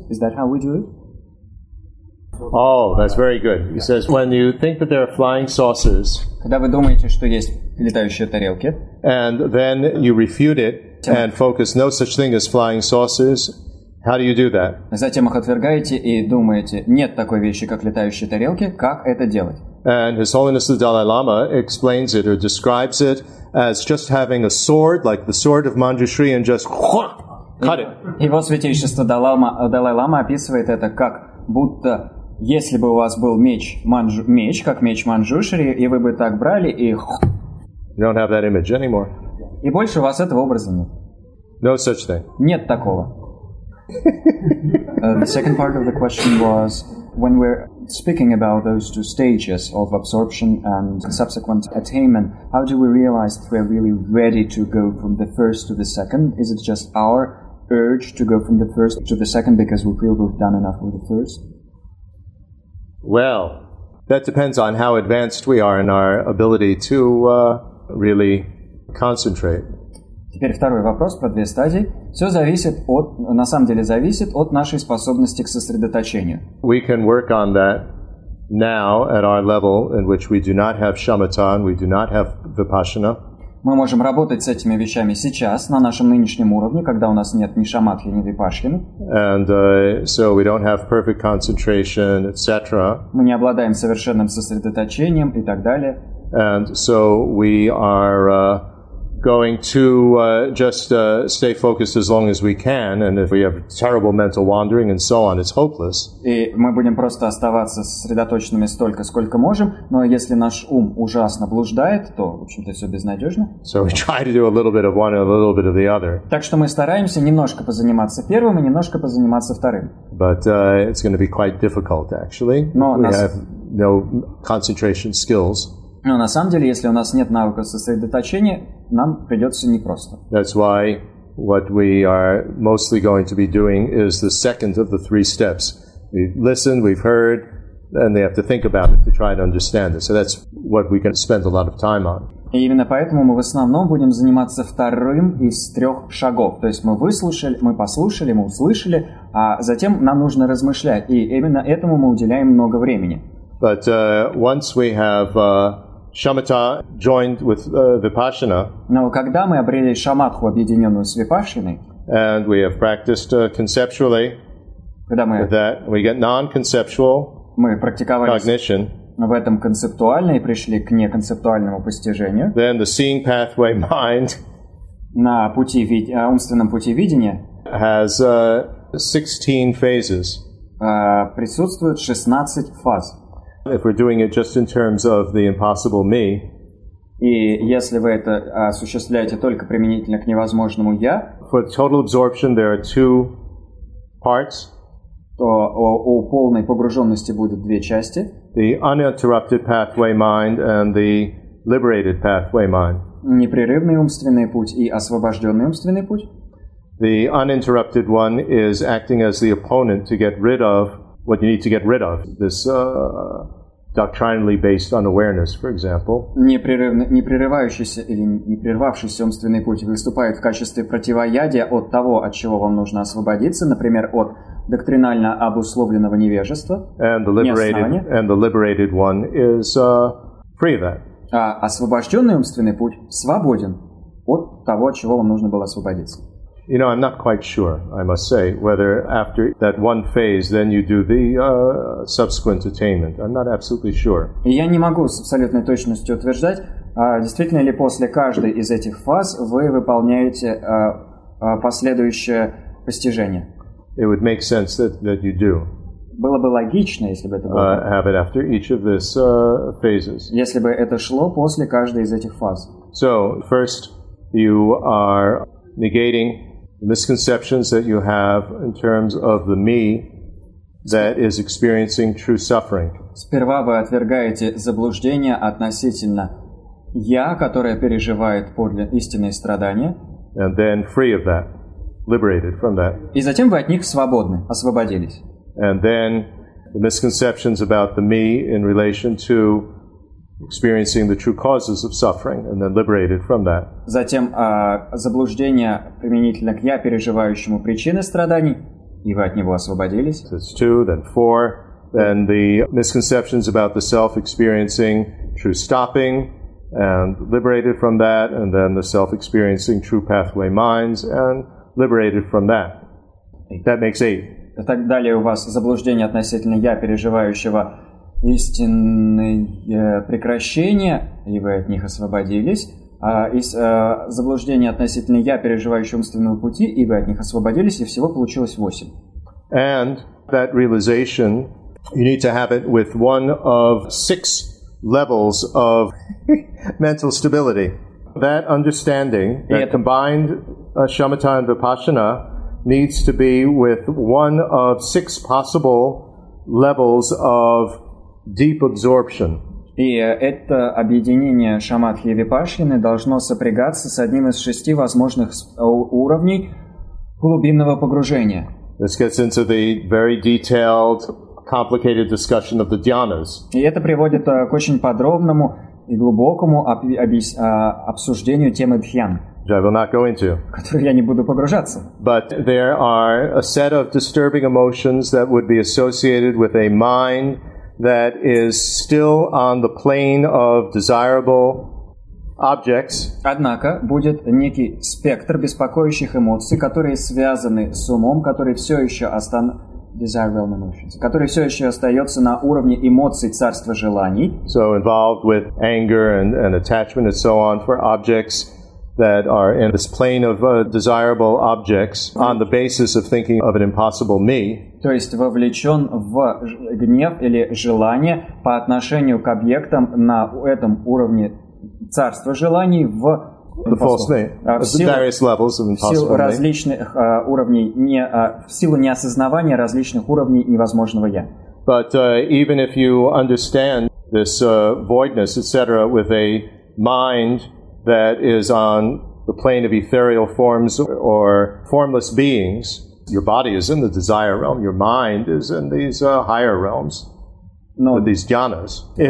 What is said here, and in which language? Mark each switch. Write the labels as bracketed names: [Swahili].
[English] Is that how we do it? Oh, that's very good. He says, when you think that there are flying saucers, [Russian] когда вы думаете, что есть летающие тарелки, [English] and then you refute it and focus no such thing as flying saucers, how do you do that? [Russian] Затем их отвергаете и думаете, нет такой вещи, как летающие тарелки, как это делать? [English] And His Holiness the Dalai Lama explains it or describes it as just having a sword, like the sword of Manjushri, and just cut it. [Russian] Его святейшество Далай-Лама описывает это как будто если бы у вас был меч, меч как меч Манджушри, и вы бы так брали и... [English] You don't have that image anymore. [Russian] И больше у вас этого образа нет. [English] No such thing. [Russian] Нет такого. [English] The second part of the question was, when we're speaking about those two stages of absorption and subsequent attainment, how do we realize that we're really ready to go from the first to the second? Is it just our urge to go from the first to the second because we feel we've done enough with the first? Well, that depends on how advanced we are in our ability to really concentrate. [Russian] Теперь второй вопрос про две стадии. Все зависит от, на самом деле зависит от нашей способности к сосредоточению. [English] We can work on that now at our level in which we do not have shamatha and we do not have vipassana. [Russian] Мы можем работать с этими вещами сейчас, на нашем нынешнем уровне, когда у нас нет ни шамадхи, ни випашхины. [English] And so we don't have perfect concentration, etc. [Russian] Мы не обладаем совершенным сосредоточением и так далее. [English] And so we are going to just stay focused as long as we can, and if we have terrible mental wandering and so on, it's hopeless. [Russian] И мы будем просто оставаться сосредоточенными столько, сколько можем, но если наш ум ужасно блуждает, то, в общем-то, все безнадежно. [English] So we try to do a little bit of one and a little bit of the other. [Russian] Так что мы стараемся немножко позаниматься первым и немножко позаниматься вторым. [English] But it's going to be quite difficult, actually. Have no concentration skills. [Russian] Но на самом деле, если у нас нет навыка сосредоточения, нам придется непросто. [English] That's why what we are mostly going to be doing is the second of the three steps. We've listened, we've heard, and they have to think about it to try to understand it. So that's what we can spend a lot of time on. [Russian] И именно поэтому мы в основном будем заниматься вторым из трех шагов. То есть мы выслушали, мы послушали, мы услышали, а затем нам нужно размышлять. И именно этому мы уделяем много времени. [English] But once we have shamatha joined with vipassana, [Russian] но когда мы обрели шамадху, объединенную с випашиной, [English] and we have practiced conceptually, [Russian] когда мы [English] that we get non-conceptual [Russian] мы практиковались [English] cognition, [Russian] в этом концептуально и пришли к неконцептуальному постижению. [English] Then the seeing pathway mind [Russian] на пути умственном пути видения [English] has 16 phases. [Russian] Присутствует 16 фаз. [English] If we're doing it just in terms of the impossible me, [Russian] и если вы это осуществляете только применительно к невозможному я, [English] for total absorption there are two parts. [Russian] То у полной погруженности будет две части. [English] The uninterrupted pathway mind and the liberated pathway mind. [Russian] Непрерывный умственный путь и освобожденный умственный путь. [English] The uninterrupted one is acting as the opponent to get rid of what you need to get rid of. This doctrinally based on awareness, for example. [Russian] Непрерывающийся умственный путь выступает в качестве противоядия от того, от чего вам нужно освободиться, например, от доктринально обусловленного невежества. [English] And the liberated one is free of that. [Russian] А освобожденный умственный путь свободен от того, от чего вам нужно было освободиться. [English] You know, I'm not quite sure, I must say, whether after that one phase, then you do the subsequent attainment. I'm not absolutely sure. [Russian] И я не могу с абсолютной точностью утверждать, действительно ли после каждой из этих фаз вы выполняете последующее постижение. [English] It would make sense that you do. [Russian] Было бы логично, если бы это было. [English] Have it after each of these phases. [Russian] Если бы это шло после каждой из этих фаз. [English] So, first, you are negating the misconceptions that you have in terms of the me that is experiencing true suffering. [Russian] Сперва вы отвергаете заблуждение относительно я, которое переживает истинные страдания. [English] And then free of that, liberated from that. [Russian] И затем вы от них свободны, освободились. [English] And then the misconceptions about the me in relation to experiencing the true causes of suffering and then liberated from that. [Russian] Затем заблуждение применительно к я, переживающему причины страданий, и вы от него освободились. [English] That's two, then four. Then the misconceptions about the self experiencing true stopping and liberated from that. And then the self experiencing true pathway minds and liberated from that. That makes eight. [Russian] Так далее у вас заблуждение относительно я, переживающего истинные прекращения, и вы от них освободились. Заблуждение относительно я, переживающего умственного пути, и вы от них освободились, и всего получилось 8. [English] And that realization, you need to have it with one of 6 levels of mental stability. That understanding, that combined shamatha and vipassana, needs to be with one of 6 possible levels of deep absorption. [Russian] И это объединение шамадхи и випашьяны должно сопрягаться с одним из 6 возможных уровней глубинного погружения. [English] This gets into the very detailed, complicated discussion of the dhyanas. [Russian] И это приводит к очень подробному и глубокому обсуждению темы дхьян. [English] Which I will not go into. [Russian] Которую я не буду погружаться. [English] But there are a set of disturbing emotions that would be associated with a mind that is still on the plane of desirable objects. [Russian] Однако будет некий спектр беспокоящих эмоций, которые связаны с умом, который все еще [English] desirable emotions, [Russian] который все еще остается на уровне эмоций царства желаний. [English] So involved with anger and attachment and so on for objects that are in this plane of desirable objects on the basis of thinking of an impossible me. [Russian] То есть вовлечен в гнев или желание по отношению к объектам на этом уровне царства желаний в [English] the false me. Various levels of impossible me. [Russian] Различных уровней в силу неосознавания различных уровней невозможного я. [English] But even if you understand this voidness, etc., with a mind that is on the plane of ethereal forms or formless beings, your body is in the desire realm, your mind is in these higher realms, with these jhanas. Yeah.